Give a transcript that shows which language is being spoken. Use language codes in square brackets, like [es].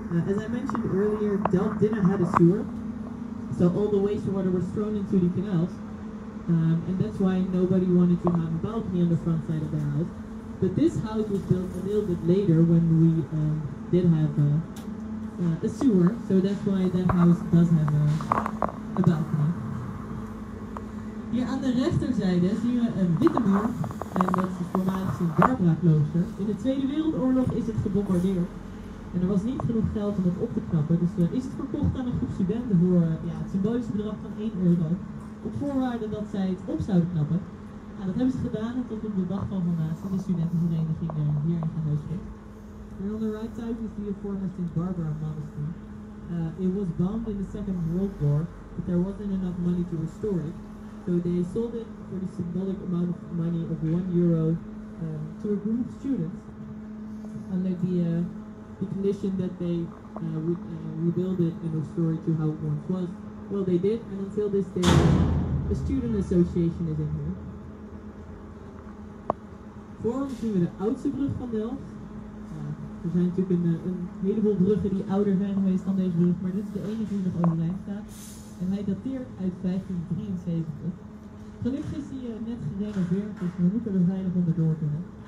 [en] As I mentioned earlier, Delft didn't have a sewer, so all the wastewater was thrown into the canals, and that's why nobody wanted to have a balcony on the front side of the house. But this house was built a little bit later when we did have a sewer, so that's why that house does have a balcony. [nl] Hier aan de rechterzijde zien we een witte muur en dat is het voormalig Sint-Barbara-klooster. In de Tweede Wereldoorlog is het gebombardeerd en er was niet genoeg geld om het op te knappen. Dus is het verkocht aan een groep studenten voor het symbolische bedrag van 1 euro. Op voorwaarde dat zij het op zouden knappen. Nou, dat hebben ze gedaan tot op de dag van vandaag de studentenvereniging hier in gaan huisvesten. [en] Here on the right side is the former Sint-Barbara monastery. It was bombed in the Second World War, but there wasn't enough money to restore it. So they sold it for the symbolic amount of money of 1 euro to a group of students under the condition that they would rebuild it and restore it to how it once was. Well, they did, and until this day, a student association is in here. [nl] Voor ons zien we de oudste brug van Delft. Er zijn natuurlijk een heleboel bruggen die ouder zijn geweest dan deze brug, maar dit is de enige die nog overeind staat. En hij dateert uit 1573. Gelukkig is hij net gerenoveerd, dus we moeten er veilig onderdoor kunnen.